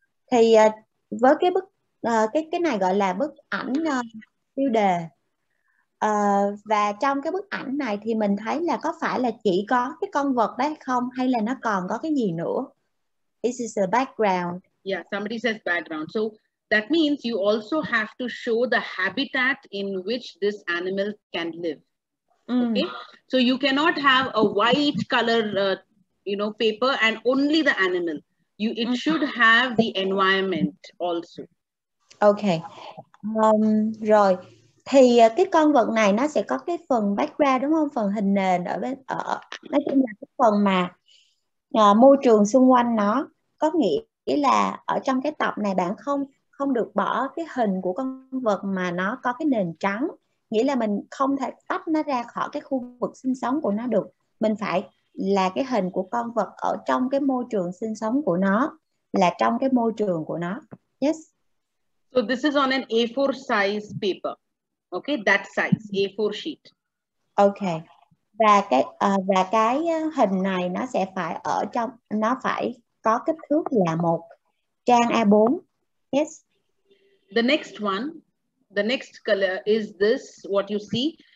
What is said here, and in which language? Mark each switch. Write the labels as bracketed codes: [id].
[vi] Thì với cái bức cái này gọi là bức ảnh tiêu đề. Và trong cái bức ảnh này thì mình thấy là có phải là chỉ có cái con vật đấy không hay là nó còn có cái gì nữa? [en] This is the background. Yeah, somebody says background. So that means you also have to show the habitat in which this animal can live. Okay. So you cannot have a white color, paper and only the animal. It should have the environment also. [vi] Okay. Rồi. Thì cái con vật này nó sẽ có cái phần background đúng không? Phần hình nền ở bên ở. Nói chung là cái phần mà môi trường xung quanh nó. Có nghĩa là ở trong cái tập này bạn không không được bỏ cái hình của con vật mà nó có cái nền trắng. Nghĩa là mình không thể tách nó ra khỏi cái khu vực sinh sống của nó được. Mình phải là cái hình của con vật ở trong cái môi trường sinh sống của nó, là trong cái môi trường của nó. [en] Yes. So this is on an A4 size paper. Okay, that size, A4 sheet. Okay. [vi] Và cái hình này nó sẽ phải ở trong, nó phải có kích thước là một trang A4. [en] Yes. The next one, the next color is this, what you see.